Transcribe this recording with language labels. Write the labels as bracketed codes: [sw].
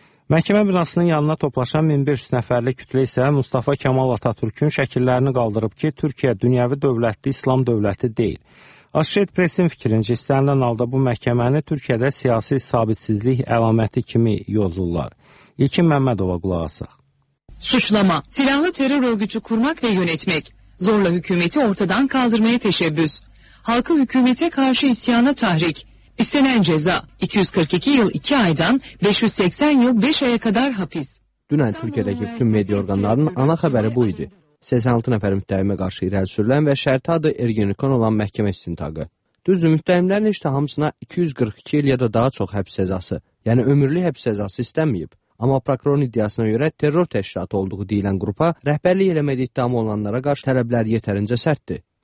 [az] Məhkəmə binasının yanına toplaşan 1500 nəfərli kütlə isə Mustafa Kemal Atatürk'ün şəkillərini qaldırıb ki, Türkiyə dünyəvi dövlətli İslam dövləti deyil. Associated Press-in fikrincə istənilən halda bu məhkəməni Türkiyədə siyasi sabitsizlik əlaməti kimi yozurlar. İlkin Məmmədova qulaq asaq. [tr] Suçlama, silahlı terör örgütü kurmak ve yönetmek, zorla hükümeti ortadan kaldırmaya teşebbüs, halkı hükümete karşı isyana tahrik, istenen ceza 242 yıl 2 aydan 580 yıl 5 aya kadar hapis. [az] Dünən Türkiyədəki bütün media orqanlarının ana xəbəri bu idi. 86 nəfər müttəhimə qarşı irəli sürülən və şərti adı Ergenekon olan məhkəmə istintaqı. Düzdür, müttəhimlərin işte hamısına 242 il ya da daha çox həbs cəzası, yəni ömürlü həbs cəzası istənməyib. Amma prokurorun iddiasına görə terror təşkilatı olduğu deyilən qrupa rəhbərlik eləmədi ittiham olunanlara qarşı tələblər yetərincə sərtdir.